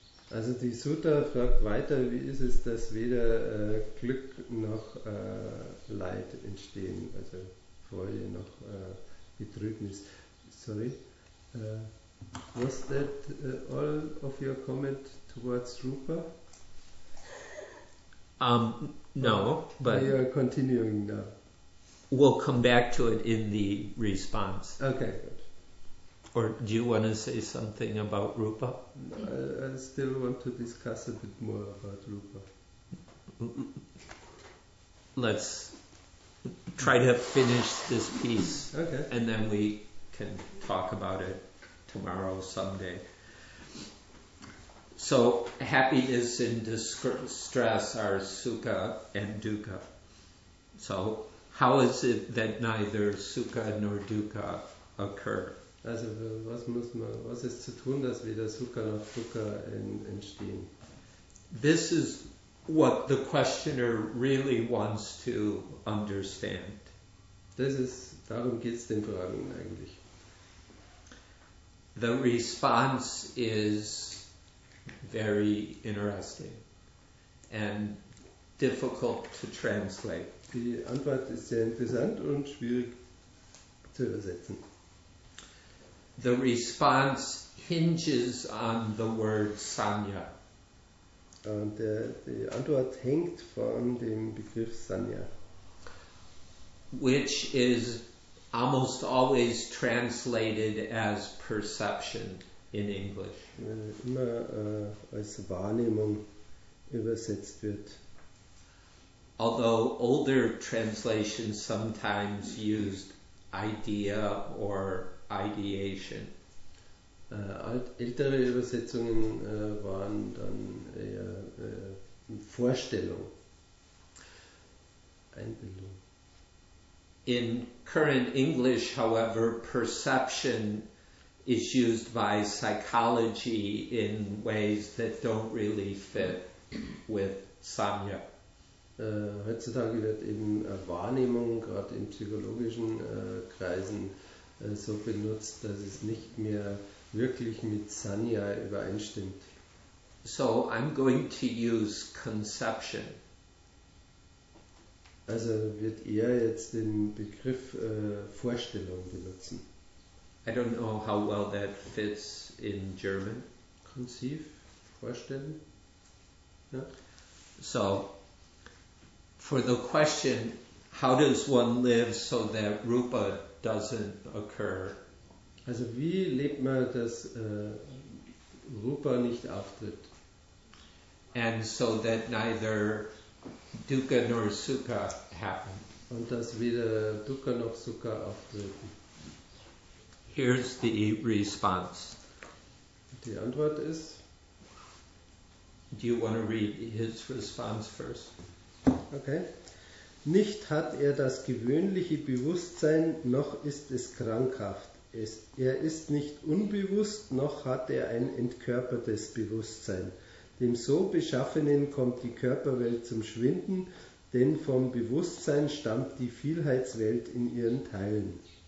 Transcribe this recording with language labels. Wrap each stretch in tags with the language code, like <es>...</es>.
<de>Also die Sutta fragt weiter, wie ist es, dass weder Glück noch Leid entstehen, also Freude noch Betrübnis.</de> <en>Sorry. Was that all of your comment towards Rupa? No, but we are continuing now. We'll come back to it in the response. Okay, good. Or do you want to say something about Rupa? I still want to discuss a bit more about Rupa. Let's try to finish this piece. Okay. And then we can talk about it tomorrow, someday. So, happiness and distress are sukha and dukkha. So, how is it that neither sukha nor dukkha occur?</en> <de>Also, was muss man, was ist zu tun, dass weder sukha noch dukkha entstehen?</de> <en>This is what the questioner really wants to understand.</en> <de>Das ist, darum geht's den Fragen eigentlich.</de> <en>The response is very interesting and difficult to translate.</en> <de>Die Antwort ist sehr interessant und schwierig zu übersetzen.</de> <en>The response hinges on the word sanya.</en> <de>Und die Antwort hängt von dem Begriff sanya,</de> <en>which is almost always translated as perception in English.</en> <de>Immer als Wahrnehmung übersetzt wird.</de> <en>Although older translations sometimes used idea or ideation.</en> <de>Ältere Übersetzungen waren dann eher Vorstellung, Einbildung.</de> <en>In current English, however, perception is used by psychology in ways that don't really fit with samya.</en> <de>Heutzutage wird eben Wahrnehmung, gerade in psychologischen Kreisen, so benutzt, dass es nicht mehr wirklich mit samya übereinstimmt.</de> <en>So I'm going to use conception.</en> <de>Also wird er jetzt den Begriff Vorstellung benutzen.</de> <en>I don't know how well that fits in German.</en> <de>Konzip, vorstellen. Ja.</de> <en>So, for the question, how does one live so that Rupa doesn't occur?</en> <de>Also wie lebt man, dass Rupa nicht auftritt?</de> <en>And so that neither Dukkha nor Sukha happen.</en> <de>Und dass weder Dukkha noch Sukha auftreten.</de> <en>Here's the response.</en> <de>Die Antwort ist.</de> <en>Do you want to read his response first? Okay.</en> <de>Nicht hat er das gewöhnliche Bewusstsein, noch ist es krankhaft. Er ist nicht unbewusst, noch hat er ein entkörpertes Bewusstsein. Dem so Beschaffenen kommt die Körperwelt zum Schwinden, denn vom Bewusstsein stammt die Vielheitswelt in ihren Teilen.</de>